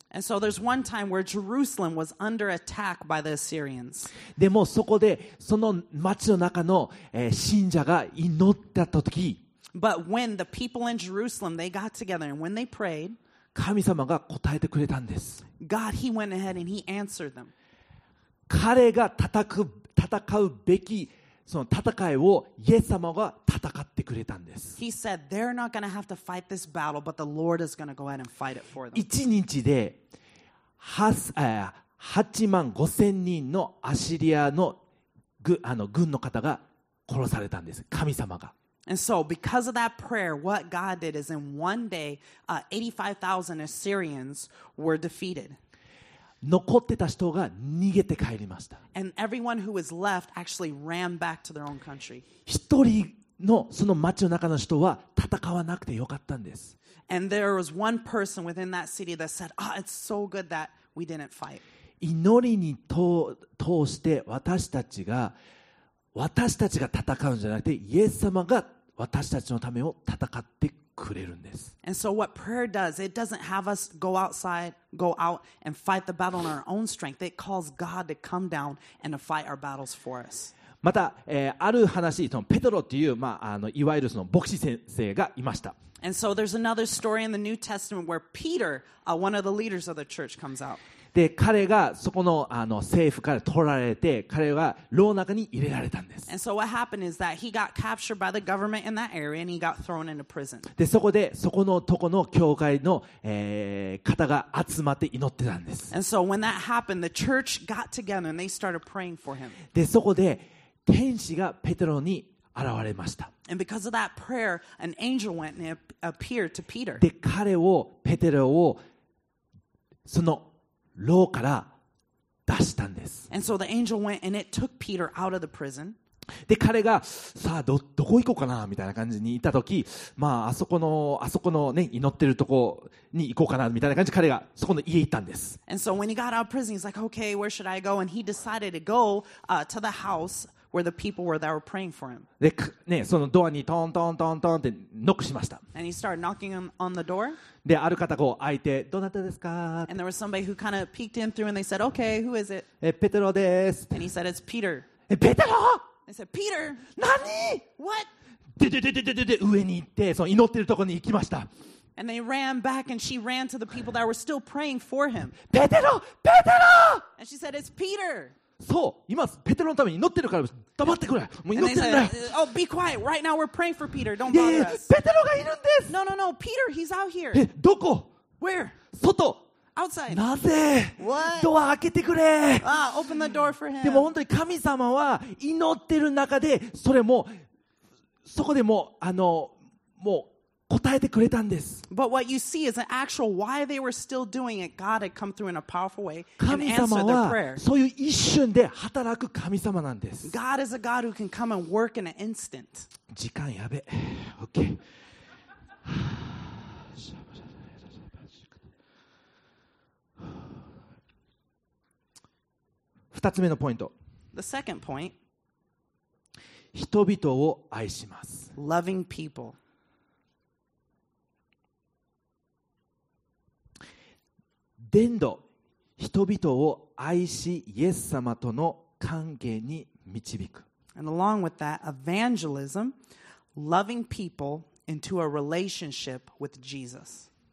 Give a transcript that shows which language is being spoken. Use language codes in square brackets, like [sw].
[en] And so there's one time where Jerusalem was under attack by the Assyrians. [ja] でもそこでその町の中の、信者が祈った時、 [en] But when the people in Jerusalem, they got together and when they prayed, [ja] 神様が答えてくれたんです。 [en] God, he went ahead and he answered them. [ja] 彼が戦うべきその戦いをイエス様が戦ってくれたんです。 [en] He said, they're not going to have to fight this battle, but the Lord is going to go ahead and fight it for them. [ja] 1日で8万5千人のアシリア の軍の方が殺されたんです。神様が。 [en] And so, because of that prayer, what God did is in one day, 85,000 Assyrians were defeated. [ja] 残ってた人が逃げて帰りました。 [en] And everyone who was left actually ran back to their own country. [ja] 一人のその町の中の人は戦わなくてよかったんです。 [en] And there was one person within that city that said, "Oh, it's so good that we didn't fight." [ja] 祈りに通して私たちが戦うんじゃなくて、イエス様が私たちのためを戦ってくれるんです。 [en] And so what prayer does, it doesn't have us go out and fight the battle on our own strength. It calls God to come down and to fight our battles for us. [ja] また、ある話、そのペトロっていう、まあ、いわゆるその牧師先生がいました。 [en] And so there's another story in the New Testament where Peter, one of the leaders of the church, comes out. [ja] で彼がそこ の政府から取られて、彼は牢の中に入れられたんです。 [en] And so what happened is that he got captured by the government in that area and he got thrown into prison. [ja] でそこでそこのとこの教会の、方が集まって祈ってたんです。 [en] And so when that happened, the church got together and they started praying for him. [ja] でそこで天使がペテロに現れました。 [en] And because of that prayer, an angel went and appeared to Peter. [ja] で彼をペテロをその牢から出したんです。 [en] And so the angel went and it took Peter out of the prison. [ja] で彼がさあどこ行こうかなみたいな感じに行った時、まあ、あそこのね祈ってるとこに行こうかなみたいな感じで彼がそこの家行ったんです。 [en] And so when he got out of prison, he's like, okay, where should I go? And he decided to go, to the house where the people were that were praying for him. [ja] で、ね、そのドアにトントントントンってノックしました。 [en] And he started knocking on the door. [ja] で、ある方こう開いて、どなたですか？ [en] And there was somebody who kind of peeked in through and they said, okay, who is it? [ja] ペテロです。 [en] And he said, it's Peter. [ja] ペテロ？ [en] I said, Peter! [ja] 何？ [en] What? [ja] で、上に行って、その祈ってるところに行きました。 [en] And they ran back and she ran to the people that were still praying for him. [ja] ペテロ！ペテロ！ [en] And she said, it's Peter! [ja] そう、今、ペテロのために祈ってるから、黙ってくれ。もう祈ってんだ [en] よ。Oh, be quiet. Right now we're praying for Peter. Don't bother us. [ja] ペテロがいるんです。 [en] No. Peter, he's out here. [ja] え、どこ？ [en] Where? [ja] 外。 [en] Outside. [ja] なぜ？ [en] What? [ja] ドア開けてくれ。 [en] Open the door for him. [ja] でも本当に神様は祈ってる中で、それも、そこでも、もう、答えてくれたんです。 [en] But what you see is an actual why they were still doing it. God had come through in a powerful way and answered their prayer. [ja] 神様はそういう一瞬で働く神様なんです。 [en] God is a God who can come and work in an instant. [ja] 時間やべ。OK。二つ目のポイント。 [en] The second point. [ja] 人々を愛します。 [en] Loving people. [ja] 伝道、人々を愛しイエス様との関係に導く。 [en] And along with that, evangelism, loving people into a relationship with Jesus.